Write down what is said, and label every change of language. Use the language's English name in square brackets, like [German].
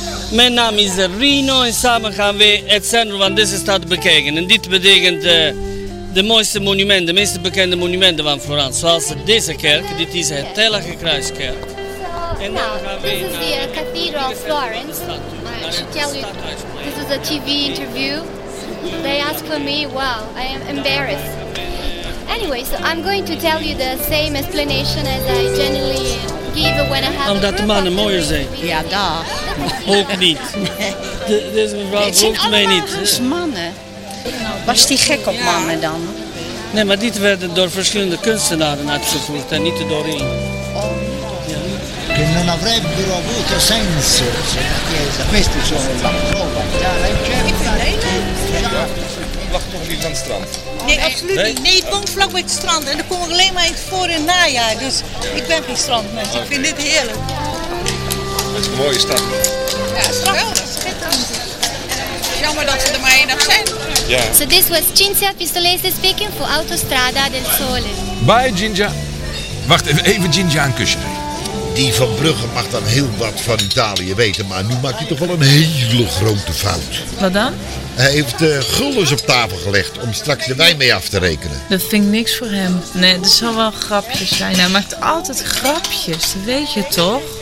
[Dutch] Mijn naam is Rino en samen gaan we het centrum van deze stad bekijken. En dit betekent de mooiste monumenten, de meest bekende monumenten van Florence. Zoals deze kerk, dit is het Heilige Kruiskerk. En dan gaan we naar de Cathedral of Florence. [English] I should tell you, this is a TV interview. They ask for me, wow, I am embarrassed. Anyway, so I'm going to tell you the same explanation as I generally give when I have. [Dutch] Omdat de mannen mooier zijn. Ja, daar. Ook niet. Deze mevrouw roept mij niet. Het zijn mannen. Was die gek op mannen dan? Nee, maar dit werden door verschillende kunstenaren uitgevoerd en niet door één. Oh. Ja. [Italian] Non avrebbero avuto senso. Questi sono la prova. Ja, [Dutch] aan het strand? Nee, absoluut niet. Nee, ik woon vlak bij het strand en er komen alleen maar in het voor- en najaar. Dus ik ben geen strandmens. Ik vind dit heerlijk. Het is een mooie stad. Ja, schitterend. Jammer dat ze er maar één dag zijn. Ja. [English] So this was Cinzia Pistolese speaking for Autostrada del Sole. Bye, Cinzia. [Dutch] Wacht even, Cinzia een kusje. Die Van Brugge mag dan heel wat van Italië weten, maar nu maakt hij toch wel een hele grote fout. Wat dan? Hij heeft de guldens op tafel gelegd om straks de wijn mee af te rekenen. Dat vind ik niks voor hem. Nee, dat zal wel grapjes zijn. Hij maakt altijd grapjes, dat weet je toch?